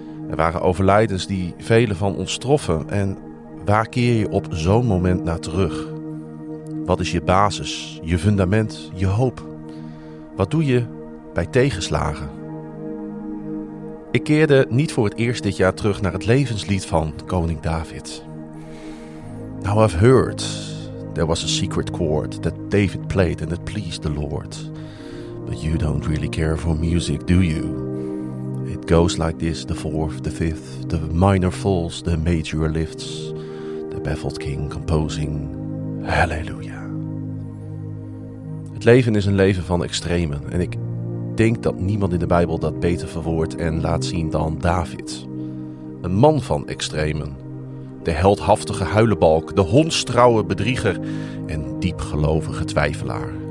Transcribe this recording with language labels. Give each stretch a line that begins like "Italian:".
Dutch: Er waren overlijdens die velen van ons troffen. En waar keer je op zo'n moment naar terug? Wat is je basis, je fundament, je hoop? Wat doe je bij tegenslagen? Ik keerde niet voor het eerst dit jaar terug naar het levenslied van koning David.
English: Now I've heard there was a secret chord that David played and it pleased the Lord. But you don't really care for music, do you? It goes like this, the fourth, the fifth, the minor falls, the major lifts, the baffled king composing, hallelujah.
Dutch: Het leven is een leven van extremen en ik denk dat niemand in de Bijbel dat beter verwoordt en laat zien dan David. Een man van extremen, de heldhaftige huilebalk, de hondstrouwe bedrieger en diepgelovige twijfelaar.